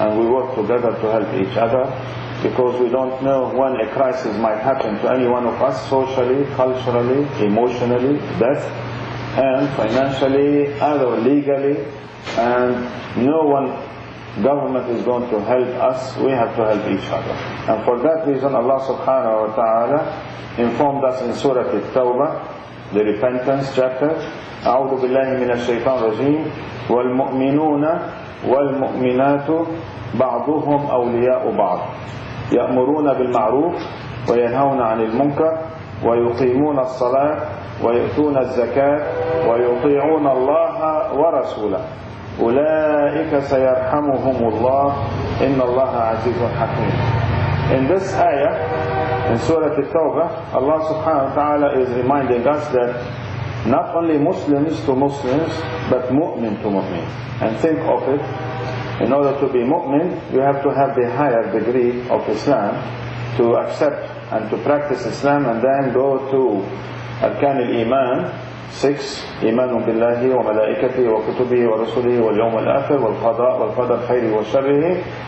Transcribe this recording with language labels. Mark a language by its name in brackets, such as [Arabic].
[English] And we work together to help each other, because we don't know when a crisis might happen to any one of us, socially, culturally, emotionally, death, and financially, other legally, and no one government is going to help us, we have to help each other. And for that reason Allah subhanahu wa ta'ala informed us in Surah At-Tawbah, the repentance chapter, [Arabic] أعوذ بالله من الشيطان الرجيم والمؤمنون والمؤمنات بعضهم أولياء بعض يأمرون بالمعروف وينهون عن المنكر ويقيمون الصلاة ويؤتون الزكاة ويطيعون الله ورسوله أولئك سيرحمهم الله إن الله عزيز حكيم. [English] In this ayah, in Surah At-Tawbah, Allah subhanahu wa ta'ala is reminding us that not only Muslims to Muslims, but mu'min to mu'min. And think of it, in order to be mu'min, you have to have the higher degree of Islam to accept and to practice Islam and then go to Arkan al-Iman. 6. [Arabic] إيمان بالله وملائكته وكتبه ورسله واليوم الآخر والقضاء والقدر خيره وشره.